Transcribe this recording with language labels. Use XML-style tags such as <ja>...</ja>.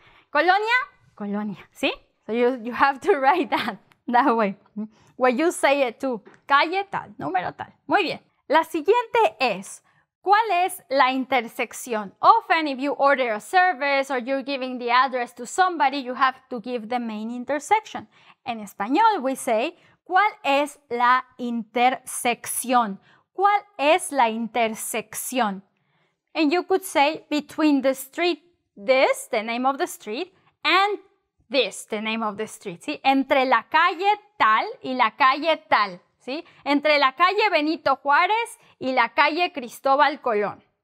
<en>Colonia, colonia, ¿sí? So you have to write that way. When you say it too,</en> <es>calle tal, número tal. Muy bien. La siguiente es, ¿cuál es la intersección?</es> <en>Often, if you order a service or you're giving the address to somebody, you have to give the main intersection.</en> <es>En español,</es> <en>we say,</en> <es>¿cuál es la intersección? ¿Cuál es la intersección?</es> <en>And you could say between the street, this, the name of the street, and this, the name of the street.</en> <es>¿Sí? Entre la calle tal y la calle tal. ¿Sí? Entre la calle Benito Juárez y la calle Cristóbal Colón.</es>